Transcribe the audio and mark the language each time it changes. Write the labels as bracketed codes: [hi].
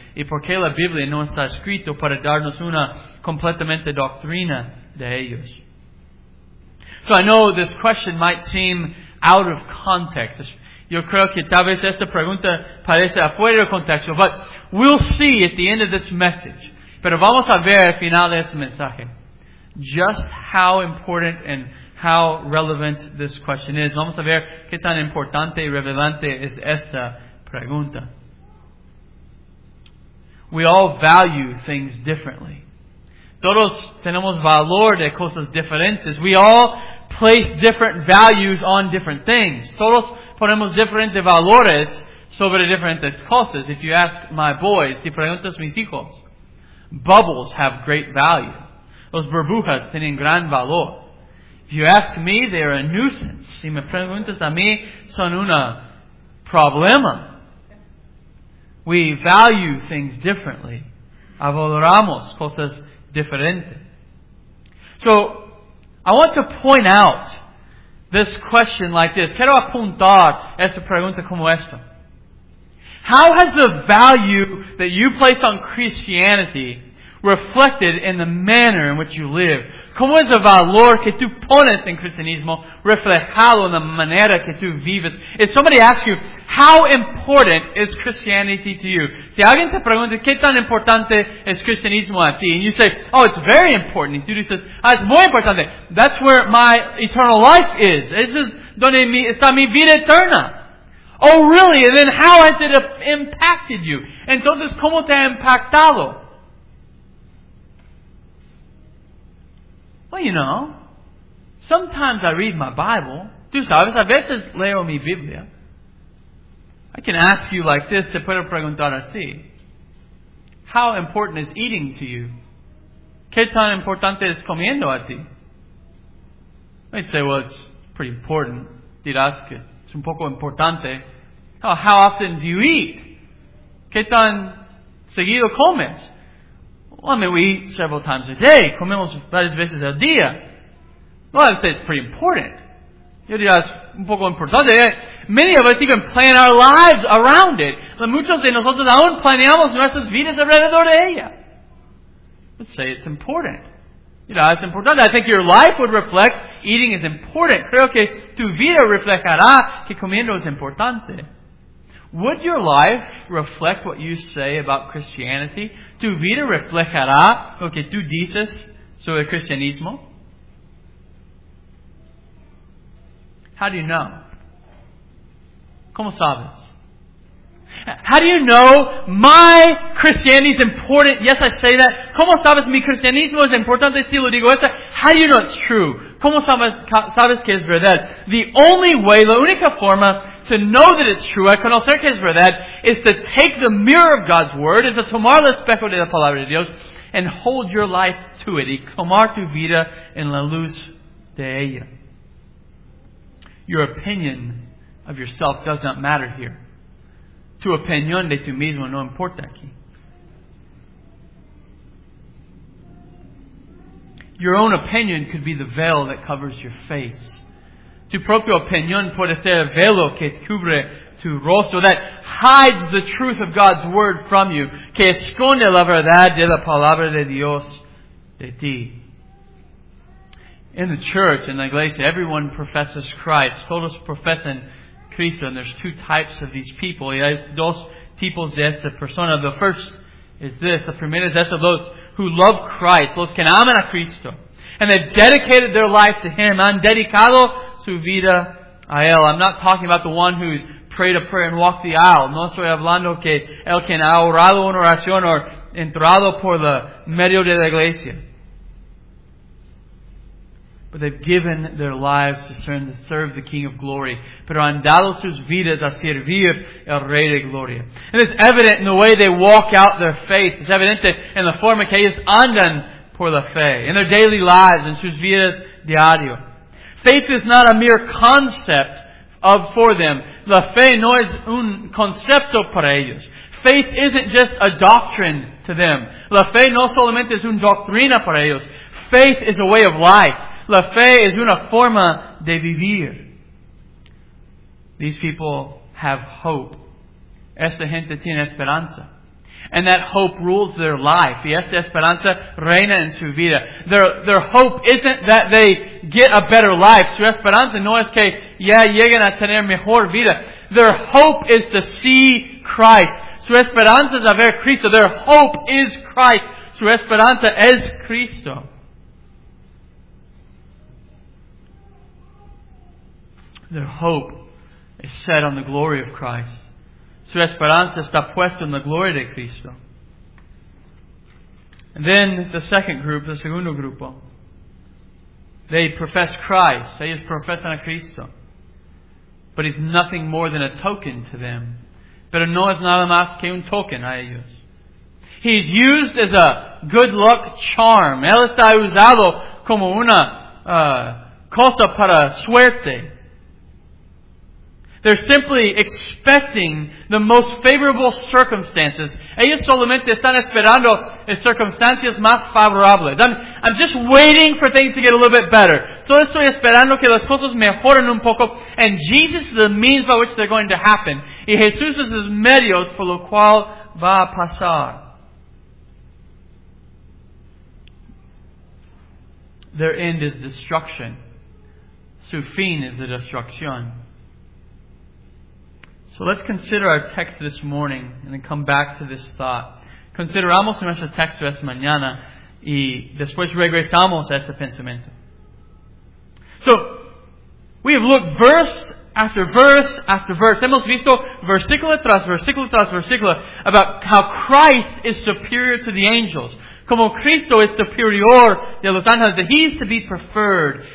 [es] Y por qué la Biblia no está escrito para darnos una completamente doctrina de ellos. [en] So I know this question might seem out of context. [es] Yo creo que tal vez esta pregunta parece afuera de contexto, [en] but we'll see at the end of this message. [es] Pero vamos a ver al final de este mensaje [en] just how important and how relevant this question is. [es] Vamos a ver qué tan importante y relevante es esta pregunta. [en] We all value things differently. [es] Todos tenemos valor de cosas diferentes. [en] We all place different values on different things. [es] Todos ponemos diferentes valores sobre diferentes cosas. [en] If you ask my boys, [es] si preguntas mis hijos, [en] bubbles have great value. [es] Los burbujas tienen gran valor. [en] If you ask me, they're a nuisance. [es] Si me preguntas a mí, son una problema. [en] We value things differently. [es] Valoramos cosas diferentes. [en] So, I want to point out this question like this. [es] Quiero apuntar esta pregunta como esta. [en] How has the value that you place on Christianity reflected in the manner in which you live? [es] ¿Cómo es el valor que tú pones en cristianismo reflejado en la manera que tú vives? [en] If somebody asks you, how important is Christianity to you? [es] Si alguien te pregunta, ¿qué tan importante es cristianismo a ti? [en] And you say, oh, it's very important. [es] Y tú dices, ah, es muy importante. [en] That's where my eternal life is. [es] Es donde está mi vida eterna. [en] Oh, really? And then how has it impacted you? [es] Entonces, ¿cómo te ha impactado? [en] Well, you know, sometimes I read my Bible. [es] Tú sabes, a veces leo mi Biblia. [en] I can ask you like this, [es] te puedo preguntar así. [en] How important is eating to you? [es] ¿Qué tan importante es comiendo a ti? [en] I'd say, well, it's pretty important. [es] Dirás que es un poco importante. [en] How often do you eat? [es] ¿Qué tan seguido comes? [en] Well, I mean, we eat several times a day. [es] Comemos varias veces al día. [en] Well, I'd say it's pretty important. [es] Yo diría, es un poco importante. [en] Many of us even plan our lives around it. [es] Muchos de nosotros aún planeamos nuestras vidas alrededor de ella. [en] I'd say it's important. You know, it's important. I think your life would reflect eating is important. [es] Creo que tu vida reflejará que comiendo es importante. [en] Would your life reflect what you say about Christianity? [es] ¿Tu vida reflejará lo que tú dices sobre el cristianismo? [en] How do you know? [es] ¿Cómo sabes? [en] How do you know my Christianity is important? Yes, I say that. [es] ¿Cómo sabes mi cristianismo es importante si lo digo esto? [en] How do you know it's true? [es] ¿Cómo sabes que es verdad? [en] The only way, [es] la única forma [en] to know that it's true, [es] a conocer que es verdad, [en] is to take the mirror of God's Word, is to [es] tomar el espejo de la Palabra de Dios, [en] and hold your life to it. [es] Y tomar tu vida en la luz de ella. [en] Your opinion of yourself does not matter here. [es] Tu opinión de tu mismo no importa aquí. [en] Your own opinion could be the veil that covers your face. [es] Tu propia opinión puede ser el velo que cubre tu rostro, [en] that hides the truth of God's Word from you, [es] que esconde la verdad de la Palabra de Dios de ti. [en] In the church, in the iglesia, everyone professes Christ. [es] Todos profesan Cristo, [en] and there's two types of these people. [es] Y hay dos tipos de esta persona. [en] The first is this, the [es] primera es esta, los [en] who love Christ, [es] los que aman a Cristo, [en] and they've dedicated their life to Him. [es] Han dedicado su vida a él. [en] I'm not talking about the one who's prayed a prayer and walked the aisle. [es] No estoy hablando que el quien ha orado una oración o entrado por el medio de la iglesia. [en] But they've given their lives to serve the King of Glory. [es] Pero han dado sus vidas a servir el Rey de Gloria. [en] And it's evident in the way they walk out their faith. It's evident in the [es] forma que ellos andan por la fe. [en] In their daily lives, in [es] sus vidas diario. [en] Faith is not a mere concept for them. [es] La fe no es un concepto para ellos. [en] Faith isn't just a doctrine to them. [es] La fe no solamente es una doctrina para ellos. [en] Faith is a way of life. [es] La fe es una forma de vivir. [en] These people have hope. [es] Esta gente tiene esperanza. [en] And that hope rules their life. [es] Y esta esperanza reina en su vida. [en] Their hope isn't that they get a better life. [es] Su esperanza no es que ya lleguen a tener mejor vida. [en] Their hope is to see Christ. [es] Su esperanza es a ver Cristo. [en] Their hope is Christ. [es] Su esperanza es Cristo. [en] Their hope is set on the glory of Christ. [es] Su esperanza está puesta en la gloria de Cristo. [en] And then the second group, the [es] segundo grupo. [en] They profess Christ. [es] Ellos profesan a Cristo. [en] But he's nothing more than a token to them. [es] Pero no es nada más que un token a ellos. [en] He's used as a good luck charm. [es] Él está usado como una cosa para suerte. [en] They're simply expecting the most favorable circumstances. [es] Ellos solamente están esperando circunstancias más favorables. [en] I'm just waiting for things to get a little bit better. [es] Solo estoy esperando que las cosas mejoren un poco. [en] And Jesus is the means by which they're going to happen. [es] Y Jesús es los medios por lo cual va a pasar. [en] Their end is destruction. [es] Su fin [en] is the [es] destrucción. [en] So let's consider our text this morning and then come back to this thought. [es] Consideramos nuestro texto esta mañana y después regresamos a este pensamiento. [en] So, we have looked verse after verse after verse. [es] Hemos visto versículo tras versículo [en] tras versículo about how Christ is superior to the angels. [es] Como Cristo es superior de los ángeles, [en] that he's to be preferred.